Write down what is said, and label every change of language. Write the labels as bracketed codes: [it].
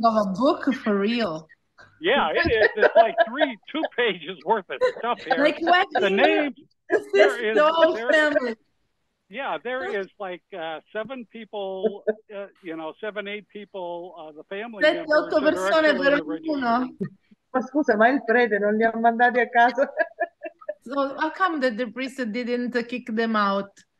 [en] of a book for real. Yeah, it is. It's like two pages worth of stuff here. Like, what the name is, this is the whole family. Yeah, there is like seven people, you know, seven, eight people. The family, [it] otto persone per uno. Ma scusa, ma il prete non li ha mandati a casa. [en] So, how come that the priest didn't kick them out?